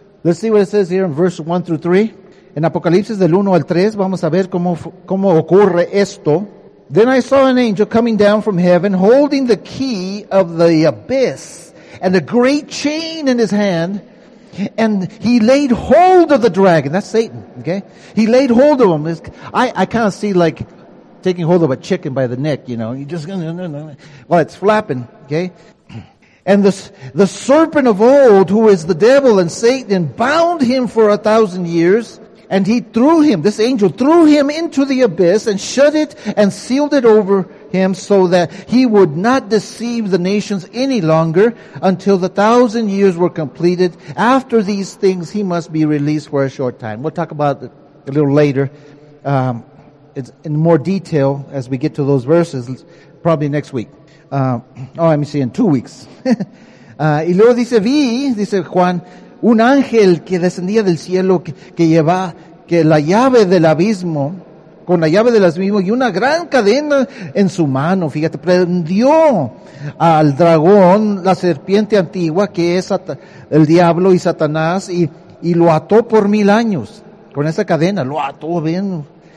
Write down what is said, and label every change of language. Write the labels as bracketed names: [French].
[English] Let's see what it says here in verse 1 through 3. [Spanish] En Apocalipsis del 1 al 3, vamos a ver cómo ocurre esto. [English] Then I saw an angel coming down from heaven, holding the key of the abyss and a great chain in his hand. And he laid hold of the dragon. That's Satan, okay? He laid hold of him. I kind of see like taking hold of a chicken by the neck, you know. You just well, it's flapping, okay? And the serpent of old, who is the devil and Satan, bound him for 1,000 years, and he threw him, this angel, threw him into the abyss and shut it and sealed it over him so that he would not deceive the nations any longer until the 1,000 years were completed. After these things, he must be released for a short time. We'll talk about it a little later. It's in more detail as we get to those verses, probably next week. In 2 weeks. [Spanish] Y luego dice Juan, un ángel que descendía del cielo que la llave del abismo, con la llave del abismo y una gran cadena en su mano, fíjate, prendió al dragón, la serpiente antigua, que es el diablo y Satanás, y lo ató por 1,000 años, con esa cadena, lo ató bien.